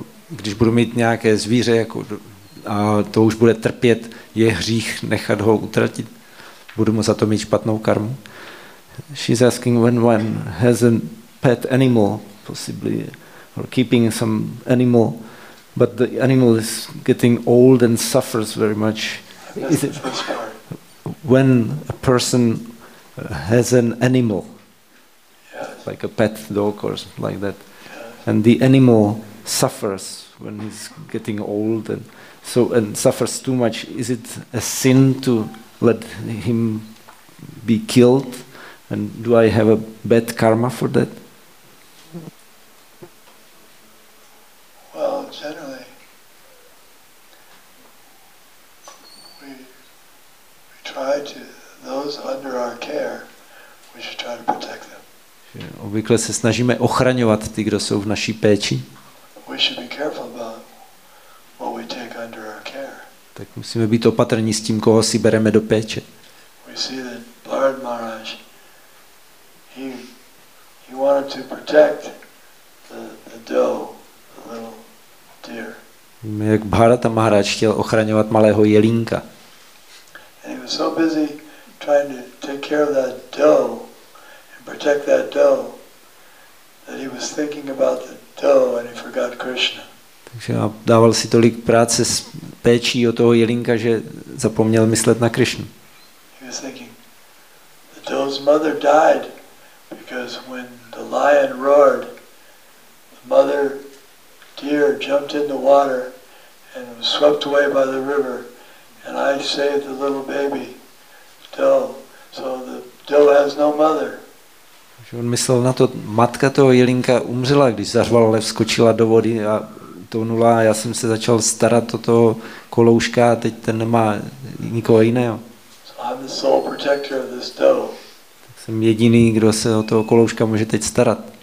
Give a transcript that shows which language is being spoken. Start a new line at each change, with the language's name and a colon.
Czech: Když budu mít nějaké zvíře jako, a to už bude trpět, je hřích nechat ho utratit, budu mu za to mít špatnou karmu.
English: She's asking when one has a pet animal, possibly, or keeping some animal, but the animal is getting old and suffers very much. Is it, when a person has an animal, like a pet dog or like that, and the animal suffers when he's getting old and so and suffers too much, is it a sin to let him be killed? And do I have a bad karma for that? Well, generally, we try to, those under our care, we should try to protect them.
Czech: Obvykle se snažíme ochraňovat ty, kdo jsou v naší péči.
English: We should be careful about what we take under our care.
Czech: Tak musíme být opatrní s tím, koho si bereme do péče.
English: We see that Bharat Maharaj, he wanted to protect the doe, the little deer.
Czech: Víme, jak Bharata Maharaj chtěl ochraňovat malého jelínka.
English: And he was so busy trying to take care of that doe and protect that doe that he was thinking about the doe and he forgot Krishna.
Czech: Takže dával si tolik práce s péčí o toho jelínka, že zapomněl myslet na Krishnu.
English: He was thinking, the doe's mother died because when the lion roared, the mother deer jumped in the water and was swept away by the river and I saved the little baby doe. So the doe has no mother.
Czech: On myslel na to, matka toho jelinka umřela, když zařval lev, skočila do vody a tonula a já jsem se začal starat o toho kolouška a teď ten nemá nikoho jiného.
English: So I'm the sole protector of this doe.
Czech: Tak jsem jediný, kdo se o toho kolouška může teď starat.